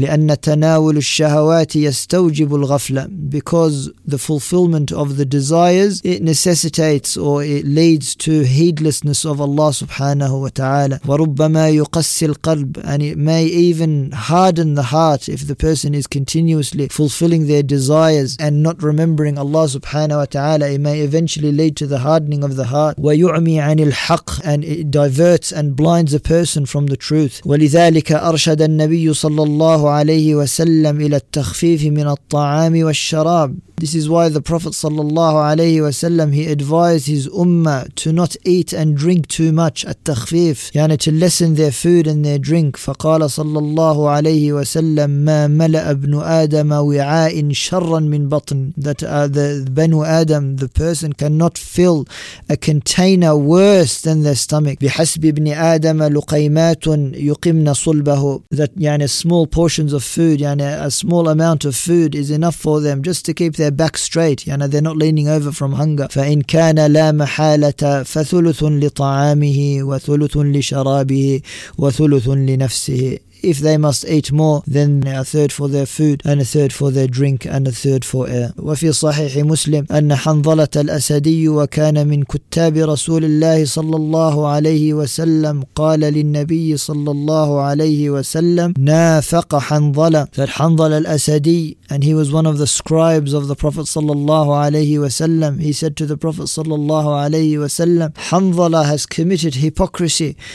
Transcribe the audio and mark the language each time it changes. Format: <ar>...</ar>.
<ar>لأن تناول الشهوات يستوجب الغفلة,</ar> <en>because the fulfillment of the desires, it necessitates or it leads to heedlessness of Allah subhanahu wa ta'ala.</en> <ar>وربما يقسي القلب,</ar> <en>and it may even harden the heart if the person is continuously fulfilling their desires and not remembering Allah subhanahu wa ta'ala. It may eventually lead to the hardening of the heart.</en> <ar>ويعمي عن الحق,</ar> <en>and it diverts and blinds a person from the truth.</en> <ar>ولذلك أرشد النبي صلى الله عليه وسلم إلى التخفيف من الطعام والشراب.</ar> <en>This is why the Prophet sallallahu alayhi wa sallam, he advised his ummah to not eat and drink too much, at takhfif, yani to lessen their food and their drink.</en> <ar>قال صلى الله عليه وسلم ما ملأ ابن آدم وعاء شرا من بطن,</ar> <en>that the Banu Adam, the person, cannot fill a container worse than their stomach.</en> <ar>بحسب ابن آدم لقيمات يقمن صلبه,</ar> <en>that small portions of food, a small amount of food is enough for them just to keep their back straight. They're not leaning over from hunger.</en> <ar>فإن كان لا محالة فثلث لطعامه وثلث لشرابه وثلث لنفسه.</ar> <en>If they must eat more, then a third for their food, and a third for their drink, and a third for air.</en> <ar>وفي صحيح مسلم أن حنظلة الأسدي وكان من كتاب رسول الله صلى الله عليه وسلم قال للنبي صلى الله عليه وسلم نافق حنظلة,</ar> <en>that حنظلة الأسدي, and he was one of the scribes of the Prophet صلى الله عليه وسلم, he said to the Prophet صلى الله عليه وسلم حنظلة has committed hypocrisy.</en>